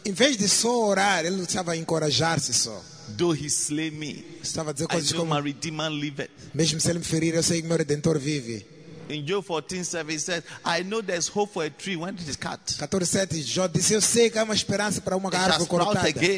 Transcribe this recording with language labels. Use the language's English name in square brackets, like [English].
[Portuguese] Em vez de só orar, ele estava a encorajar-se só. [English] Though he slay me, [Portuguese] estava a dizer coisas como, [English] my redeemer liveth. [Portuguese] Mesmo se ele me ferir, eu sei que meu redentor vive. [English] In Job 14:7, he says, I know there's hope for a tree when it is cut. [Portuguese] 14:7, Jó disse, eu sei que há uma esperança para uma árvore cortada.